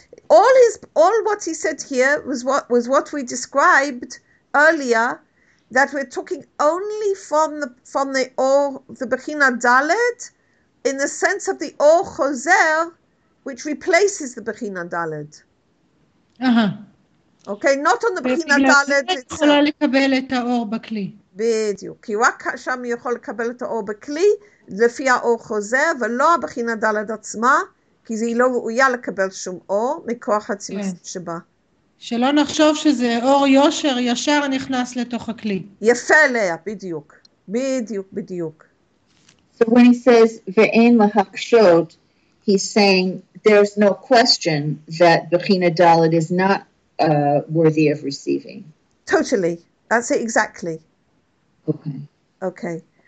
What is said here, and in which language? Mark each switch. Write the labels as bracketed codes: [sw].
[en] All what he said here was what we described earlier, that we're talking only from the בחינה דלת, in the sense of the אור חוזר, which replaces the בחינה דלת. Uh-huh. Okay, not on the בחינה דלת. [he] היא יכולה לקבל את האור בכלי. בדיוק. כי רק שם היא יכולה לקבל את האור בכלי, לפי האור חוזר, ולא הבחינה דלת עצמה, כי היא לא ראויה לקבל שום אור, מכוח הצמצום שבה. שלא נחשוב שזה אור יושר ישר נכנס לתוך הכלי. יפה לה, בדיוק. בדיוק, בדיוק. [en] So when he says, [he] ואין להקשות, [en] he's saying there's no question that Bechina Dalet is not worthy of receiving. Totally. That's it, exactly. Okay.